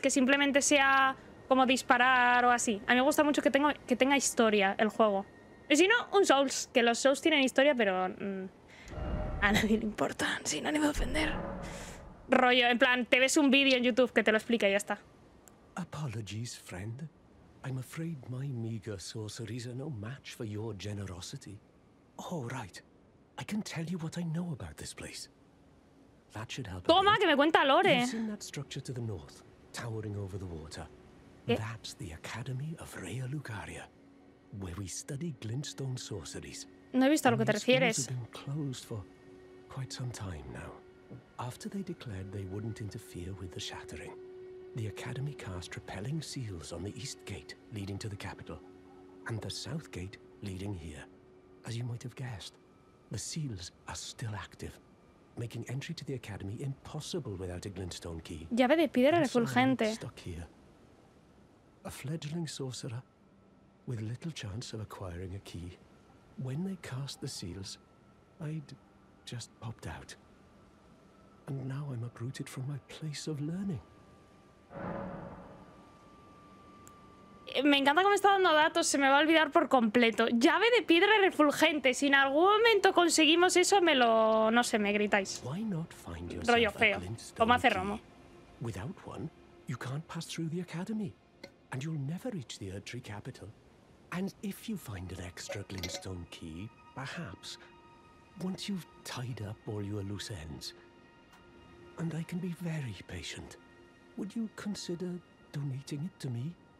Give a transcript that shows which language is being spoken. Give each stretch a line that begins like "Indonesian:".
Spanish: Que simplemente sea... como disparar o así. A mí me gusta mucho que, tenga historia el juego. Y si no, un Souls. Que los Souls tienen historia, pero... a nadie le importan, sin ánimo de ofender. Rollo, en plan, te ves un vídeo en YouTube que te lo explica y ya está.
English: Apologies, friend. I'm afraid my meager sorceries are no match for your generosity. Oh, right. I can tell you what I know about this place. That should help.
Spanish: Toma, que me cuenta lore.
English: You've seen that structure to the north, towering over the water.
Spanish: ¿Qué?
English: That's the Academy of Rhea Lucaria, where we study Glintstone sorceries.
Spanish: No he visto a lo que te refieres.
English: Schools have been closed for quite some time now. After they declared they wouldn't interfere with the shattering, the Academy cast repelling seals on the east gate leading to the capital, and the south gate leading here. As you might have guessed, the seals are still active, making entry to the Academy impossible without a Glintstone key.
Spanish: Llave de piedra refulgente.
English: A fledgling sorcerer with little chance of acquiring a key. When they cast the seals, I'd just popped out. And now I'm uprooted from my place of learning.
Spanish: Me encanta cómo está dando datos, se me va a olvidar por completo. Llave de piedra refulgente. Si en algún momento conseguimos eso, me lo... no sé, me gritáis.
English: Why not find yourself
Spanish: rollo feo. Toma cerromo.
English: Without one, you can't pass through the academy. And you'll never reach the Erdtree capital. And if you find an extra Glintstone key, perhaps, once you've tied up all your loose ends, and I can be very patient, would you consider donating it to me?